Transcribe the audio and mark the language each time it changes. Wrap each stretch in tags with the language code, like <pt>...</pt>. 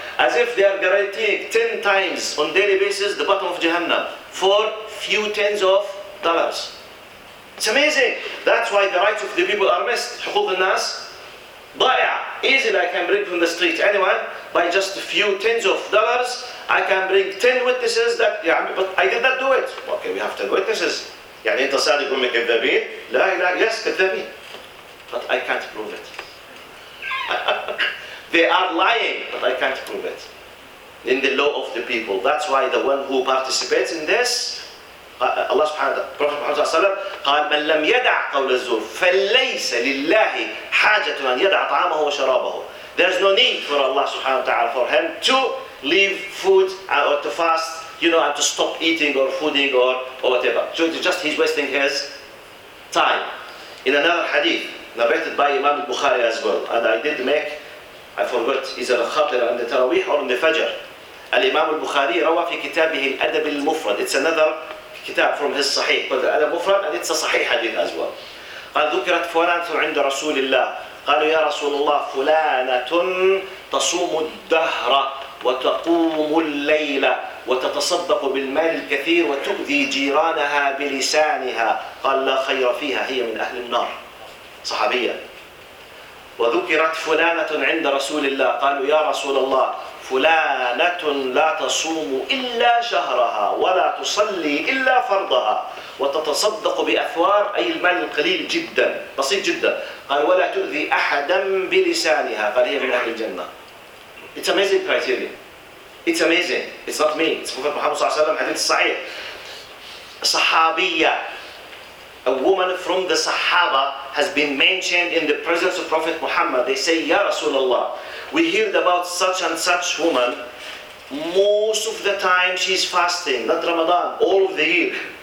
<en>As if they are guaranteeing 10 times on daily basis the bottom of Jahannam for few tens of dollars. It's amazing. That's why the rights of the people are missed.</en> <ar>حقوق الناس ضائع.</ar> <en>Easily I can bring from the street anyone by just a few tens of dollars. I can bring 10 witnesses that, yeah, but I did not do it. Okay, we have 10 witnesses.</en> <ar>يعني انت صادق امك كذابين؟ لا لا يس كذابين.</ar> <en>But I can't prove it. They are lying, but I can't prove it. In the law of the people. That's why the one who participates in this, Allah subhanahu wa ta'ala, Prophet Muhammad</en> <ar>قال من لم يدع قول الزور فليس لله حاجة أن يدع طعامه وشرابه.</ar> <en>There's no need for Allah subhanahu wa ta'ala for him to leave food or to fast, you know, and to stop eating or fooding or whatever. So it's just he's wasting his time. In another hadith narrated by Imam al-Bukhari as well, and I did make, I forgot, is it al-Khatir on the Taraweeh or on the Fajr? Al-Imam al-Bukhari</en> <ar>rawa fi kitabihi</ar> <en>al-Adab al-Mufrad. It's another kitab from his Sahih, but al-Adab al-Mufrad, and it's a Sahih hadith as well.</en> <ar>قال ذكرت فلانة عند رسول الله. قالوا يا رسول الله فلانة تصوم الدهر وتقوم الليل وتتصدق بالمال الكثير وتؤذي جيرانها بلسانها. قال لا خير فيها هي من أهل النار. صحابية. وذكرت فلانة عند رسول الله. قالوا يا رسول الله فلانة لا تصوم إلا شهرها ولا تصلي إلا فرضها وتتصدق بأثوار أي المال القليل جدا بسيط جدا. قال ولا تؤذي أحدا بلسانها. قال هي من أهل الجنة.</ar> <en>It's amazing criteria. It's amazing. It's not me. It's Prophet Muhammad صلى الله عليه وسلم.</en> <ar>حديث صحيح.</ar> <en>صحابية. A woman from the Sahaba has been mentioned in the presence of Prophet Muhammad. They say, Ya Rasulullah, we heard about such and such woman. Most of the time she's fasting, not Ramadan, all of the year.</en>